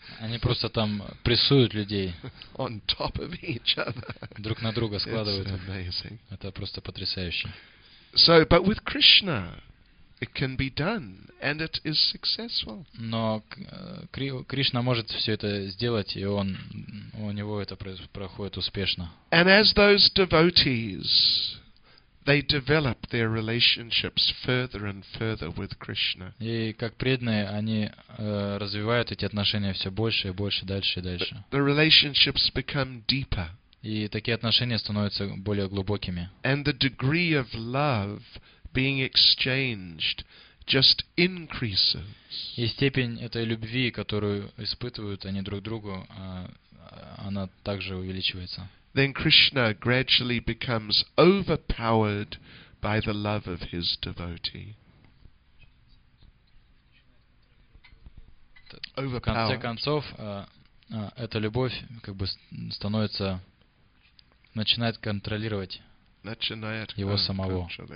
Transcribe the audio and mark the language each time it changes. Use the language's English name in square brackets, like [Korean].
[Russian] Они просто там прессуют людей. [English] On top of each other. [Russian] Друг на друга складывают. [English] It's amazing. [Russian] Это просто потрясающе. [English] So, but with Krishna, it can be done, and it is successful. [Russian] Но Кришна может все это сделать, и он у него это проходит успешно. [English] And as those devotees, they develop their relationships further and further with Krishna. [Russian] И как преданные, они развивают эти отношения все больше и больше, дальше и дальше. [English] The relationships become deeper. [Russian] И такие отношения становятся более глубокими. [English] And the degree of love being exchanged just increases. [Russian] И степень этой любви, которую испытывают они друг другу, она также увеличивается. [English] Then Krishna gradually becomes overpowered by the love of his devotee. [Russian] В конце концов, эта любовь становится, начинает контролировать его самого.